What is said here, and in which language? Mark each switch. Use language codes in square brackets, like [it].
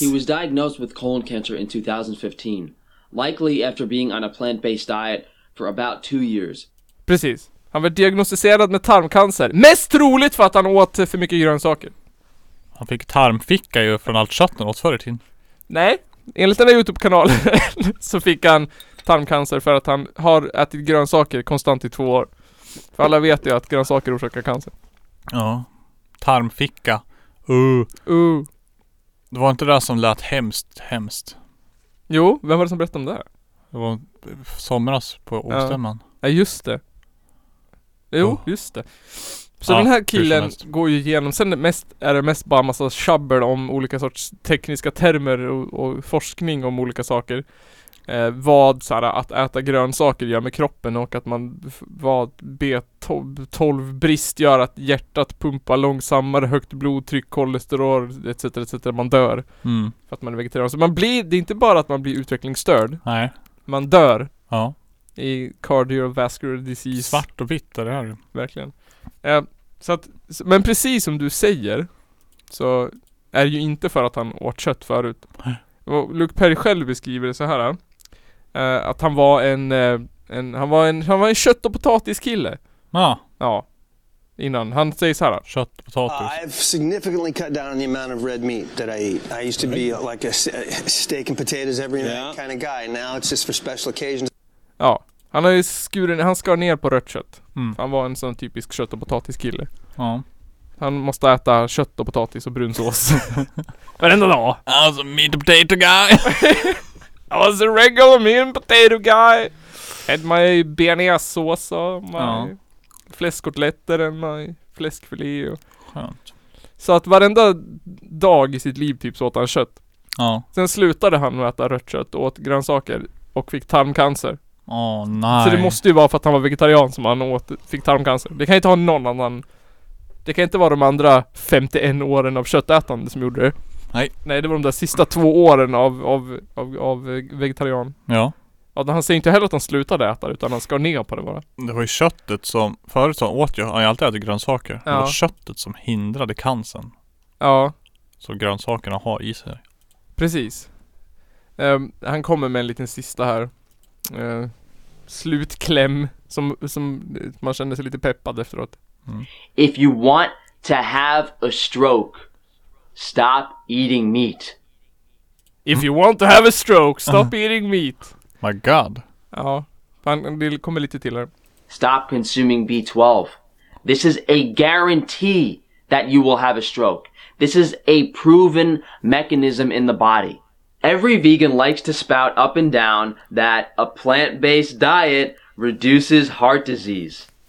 [en] He was diagnosed with colon cancer in 2015. Likely after being on a plant-based diet for about 2 years. [sv] Precis. Han var diagnostiserad med tarmcancer. Mest troligt för att han åt för mycket grönsaker. Han fick tarmficka ju från allt kött han åt förr i tiden. Nej, enligt den här YouTube-kanalen så fick han tarmcancer för att han har ätit grönsaker konstant i 2 år. För alla vet ju att grönsaker orsakar cancer. Ja, tarmficka. Det var inte det som lät hemskt. Jo, vem var det som berättade om det? Det var somras på Ostämman. Ja, just det. Just det. Så ja, den här killen går ju igenom. Sen är det mest bara massa chabber om olika sorts tekniska termer och forskning om olika saker. Vad så här, att äta grönsaker gör med kroppen och att man vad B12 brist gör att hjärtat pumpar långsammare, högt blodtryck, kolesterol etc. etc. Man dör för att man är vegetarian. Så man blir, det är inte bara att man blir utvecklingsstörd. Nej. Man dör. Ja. I cardiovascular disease. Svart och vitt är det här. Verkligen. Men precis som du säger så är det ju inte för att han åt kött förut. Och Luke Perry själv beskriver det så här. Att han var en kött- och potatiskille. Ja. Innan. Han säger så här. Kött och potatis. [en] I've significantly cut down on the amount of red meat that I eat. I used to be like a steak and potatoes every night kind of guy. Now it's just for special occasions. [sv] Ja, han har ju skar ner på rött kött. Han var en sån typisk kött- och potatiskille. Ja. Han måste äta kött och potatis och brunsås. Varenda dag. [en] I was a meat and potato guy. I was a regular meat and potato guy. Had my [sv] bearnaise sås och fläskkotletter än my fläskfilé. Skönt. Så att varenda dag i sitt liv typ så åt han kött. Ja. Sen slutade han att äta rött kött och åt grönsaker och fick tarmcancer. Åh, nej. Så det måste ju vara för att han var vegetarian som han fick tarmcancer. Det kan ju inte ha någon annan. Det kan inte vara de andra 51 åren av köttätande som gjorde det. Nej. Nej, det var de där sista 2 åren av vegetarian. Ja. Ja, han säger inte heller att han slutade äta utan han skar ner på det bara. Det var ju köttet som, förut så åt jag, han har alltid ätit grönsaker. Ja. Det var köttet som hindrade cancern. Ja. Så grönsakerna har i sig. Precis. Han kommer med en liten sista här. Slutkläm som man känner sig lite peppad efteråt. [en] If you want to have a stroke, stop eating meat. If you want to have a stroke, stop eating meat. My god. [sv] Ja, det kommer lite till här. [en] Stop consuming B12. This is a guarantee that you will have a stroke. This is a proven mechanism in the body. Every vegan likes to spout up and down that a plant-based diet reduces heart disease.